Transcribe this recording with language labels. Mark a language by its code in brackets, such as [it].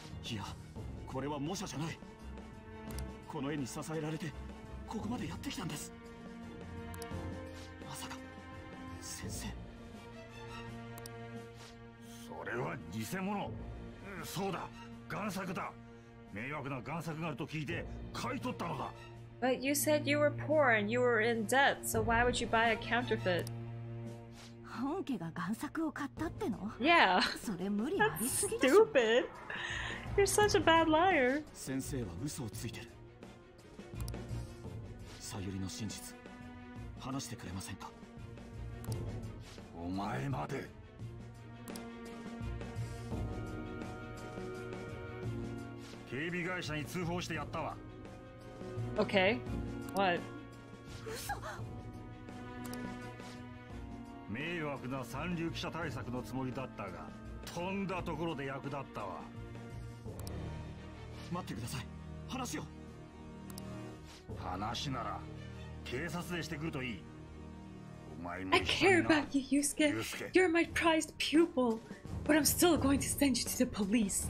[ja] いや、これは模写じゃない。この絵に支えられてここまでやってきたんです。まさか先生、それは偽物。そうだ、贋作だ。迷惑な贋作があると聞いて買い取ったのだ。 [en] But you said you were poor and you were in debt, so why would you buy a counterfeit? [ja] 本家が贋作を買ったっての？ [en] Yeah. [ja] それ無理ありすぎでしょ。 [en] Stupid. You're such a bad liar. [ja] 先生は嘘をついてる。さゆりの真実、話してくれませんか？お前まで。警備会社に通報してやったわ。 [en] Okay, what? [ja] 嘘。迷惑な三流記者対策のつもりだったが、飛んだところで役立ったわ。待ってください、話を。話なら警察でしてくるといい。お前も [en] I care about you, Yusuke. You're my prized pupil, but I'm still going to send you to the police.